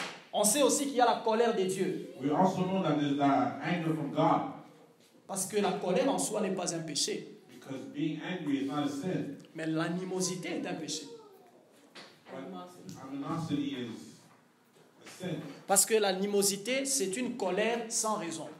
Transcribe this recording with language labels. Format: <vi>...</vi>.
<fr>On sait aussi qu'il y a la colère des dieux.</fr> <en>We also know that there's that anger from God.</en> <fr>Parce que la colère en soi n'est pas un péché.</fr> <en>Because being angry is not a sin.</en> <fr>Mais l'animosité est un péché.</fr> <en>Animosity is</en> <fr>parce que l'animosité, c'est une colère sans raison.</fr>